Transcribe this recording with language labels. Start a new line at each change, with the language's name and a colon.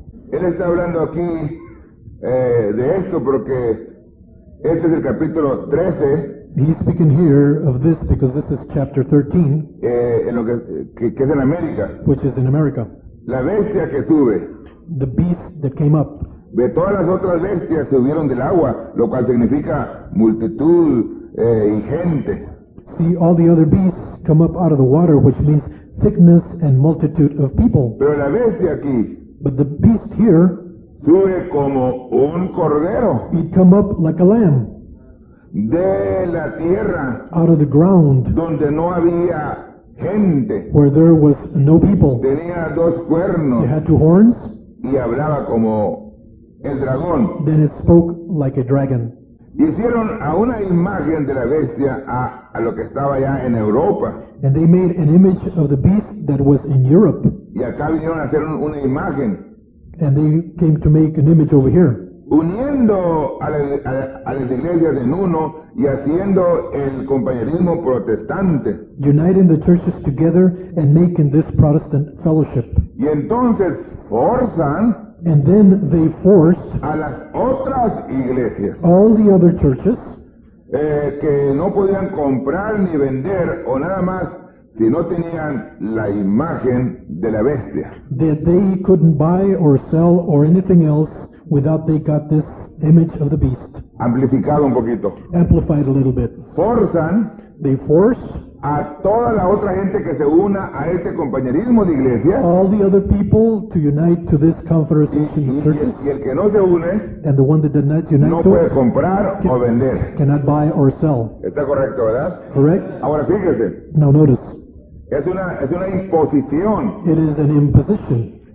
Spanish: Él está hablando aquí de esto porque este es el capítulo 13.
English: He's speaking here of this because this is chapter 13.
Spanish: En lo que es en América.
English: Which is in America.
Spanish: La bestia que sube.
English: The beast that came up.
Spanish: De todas las otras bestias subieron del agua, lo cual significa multitud y gente.
English: see all the other beasts come up out of the water, which means thickness and multitude of people.
Spanish: Pero la bestia aquí,
English: but the beast here,
Spanish: sube como un cordero.
English: He'd come up like a lamb.
Spanish: De la tierra,
English: out of the ground,
Spanish: donde no había gente,
English: where there was no people.
Spanish: Tenía dos cuernos.
English: It had two horns.
Spanish: Y hablaba como el dragón.
English: Then it spoke like a dragon.
Spanish: Hicieron a una imagen de la bestia a lo que estaba allá en Europa.
English: And they made an image of the beast that was in Europe.
Spanish: Y acá vinieron a hacer una imagen.
English: And they came to make an image over here.
Spanish: Uniendo a la iglesia de Nuno y haciendo el compañerismo protestante.
English: Uniting the churches together and making this Protestant fellowship.
Spanish: Y entonces forzan.
English: And then they forced
Spanish: a las otras iglesias,
English: all the other churches,
Spanish: que no podían comprar ni vender o nada más si no tenían la imagen de la bestia.
English: That they couldn't buy or sell or anything else without they got this image of the beast.
Spanish: Amplificado un poquito.
English: Amplified a little bit.
Spanish: Forzan,
English: they force
Spanish: a toda la otra gente que se una a este compañerismo de iglesia.
English: All the other people to unite to this confederation of churches.
Spanish: Y el que no se une,
English: and the one that did not unite,
Spanish: no puede comprar o vender.
English: Cannot buy or sell.
Spanish: Está correcto, ¿verdad?
English: Correct.
Spanish: Ahora fíjese.
English: Now notice.
Spanish: Es una imposición.
English: It is an imposition.